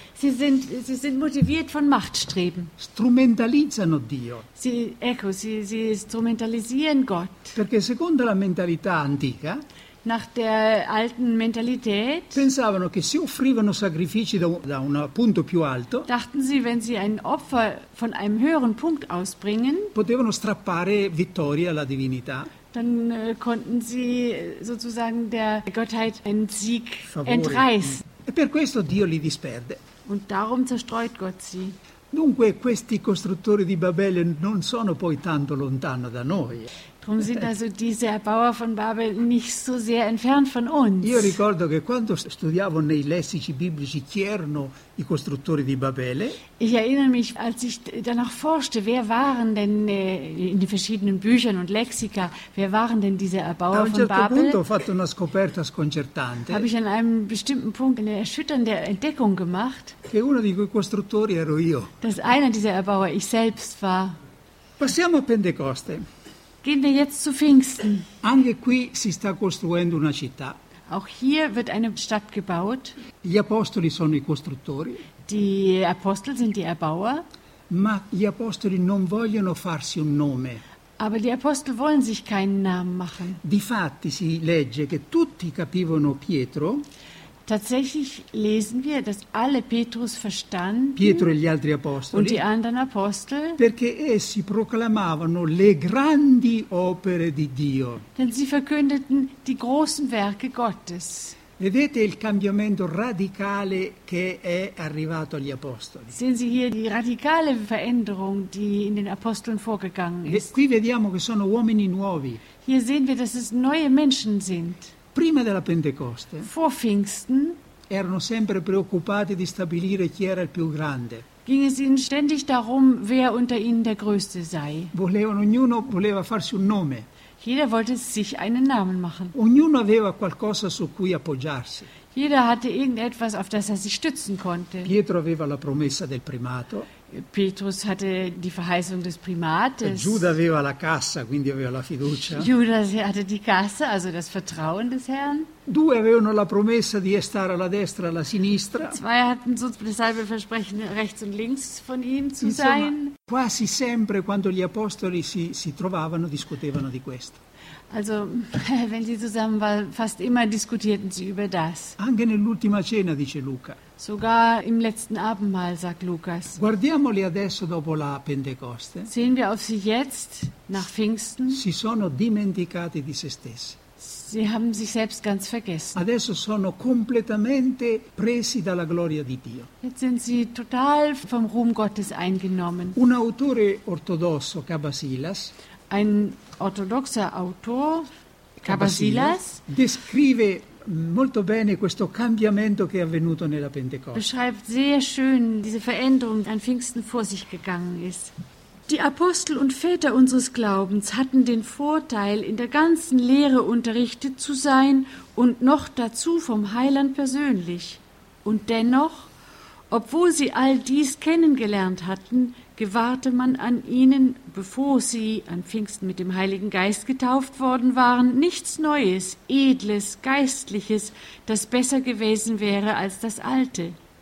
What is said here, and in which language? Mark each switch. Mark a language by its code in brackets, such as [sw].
[de] Sie sind motiviert von Machtstreben. [it] Strumentalizzano Dio. [de] Sie strumentalisieren Gott. [it] Perché secondo la mentalità antica, [de] nach der alten Mentalität, [it] pensavano che se offrivano sacrifici da un punto più alto, [de] dachten sie, wenn sie ein Opfer von einem höheren Punkt ausbringen, [it] potevano strappare vittoria alla divinità. [de] Dann konnten sie sozusagen der Gottheit einen Sieg entreißen. [it] E per questo Dio li disperde. [de] Und darum zerstreut Gott sie. [it] Dunque questi costruttori di Babele non sono poi tanto lontano da noi. [de] Drum sind also diese Erbauer von Babel nicht so sehr entfernt von uns. [it] Io ricordo che quando studiavo nei lessici biblici chi erano i costruttori di Babele. [de] Ich erinnere mich, als ich danach forschte, wer waren denn in den verschiedenen Büchern und Lexika, wer waren denn diese Erbauer von Babel? [it] Punto ho fatto una scoperta sconcertante. [de] Habe ich an einem bestimmten Punkt eine erschütternde Entdeckung gemacht. [it] Che uno di quei costruttori ero io. [de] Dass einer dieser Erbauer ich selbst war. [it] Passiamo a Pentecoste. [de] Gehen wir jetzt zu Pfingsten. [it] Anche qui si sta costruendo una città. [de] Auch hier wird eine Stadt gebaut. [it] Gli apostoli sono i costruttori. [de] Die Apostel sind die Erbauer. [it] Ma gli apostoli non vogliono farsi un nome. [de] Aber die Apostel wollen sich keinen Namen machen. [it] Difatti si legge che tutti capivano Pietro. [de] Tatsächlich lesen wir, dass alle Petrus verstanden [it] Pietro e gli altri apostoli, [de] und die anderen Apostel, [it] perché essi proclamavano le grandi opere di Dio. [de] Denn sie verkündeten die großen Werke Gottes. [it] Vedete il cambiamento radicale che è arrivato agli apostoli. [de] Sehen Sie hier die radikale Veränderung, die in den Aposteln vorgegangen ist. [it] Qui vediamo che sono uomini nuovi. [de] Hier sehen wir, dass es neue Menschen sind. [it] Prima della Pentecoste. [de] Vor Pfingsten. [it] Erano sempre preoccupati di stabilire chi era il più grande. [de] Ging es ihnen ständig darum, wer unter ihnen der Größte sei. [it] Ognuno voleva farsi un nome. [de] Jeder wollte sich einen Namen machen. [it] Ognuno aveva qualcosa su cui appoggiarsi. [de] Jeder hatte irgendetwas, auf das er sich stützen konnte. [it] Pietro aveva la promessa del primato. [de] Petrus hatte die Verheißung des Primates. [it] Giuda aveva la cassa, quindi aveva la fiducia. [de] Judas hatte die Kasse, also das Vertrauen des Herrn. [it] Due avevano la promessa di stare alla destra e alla sinistra. [de] Zwei hatten so das selbe Versprechen, rechts und links von ihm zu [it] Insomma, [de] sein. [it] Quasi sempre quando gli apostoli si trovavano, discutevano di questo. [de] Also, wenn sie zusammen waren, fast immer diskutierten sie über das. [it] Anche nell'ultima cena, dice Luca. [de] Sogar im letzten Abendmahl, sagt Lukas. [it] Guardiamoli adesso dopo la Pentecoste. [de] Sehen wir auf sie jetzt, nach Pfingsten. [it] Si sono dimenticati di se stessi. [de] Sie haben sich selbst ganz vergessen. [it] Adesso sono completamente presi dalla gloria di Dio. [de] Jetzt sind sie total vom Ruhm Gottes eingenommen. [it] Un autore ortodosso, Kabasilas. [de] Ein orthodoxer Autor, Kabasilas. [it] Descrive molto bene questo cambiamento che è avvenuto nella Pentecoste. [de] Beschreibt sehr schön diese Veränderung, die an Pfingsten vor sich gegangen ist. Die Apostel und Väter unseres Glaubens hatten den Vorteil, in der ganzen Lehre unterrichtet zu sein und noch dazu vom Heiland persönlich. Und dennoch, obwohl sie all dies kennengelernt hatten, gewahrte man an ihnen, bevor sie an Pfingsten mit dem Heiligen Geist getauft worden waren, nichts Neues, Edles, Geistliches, das besser gewesen wäre als das Alte.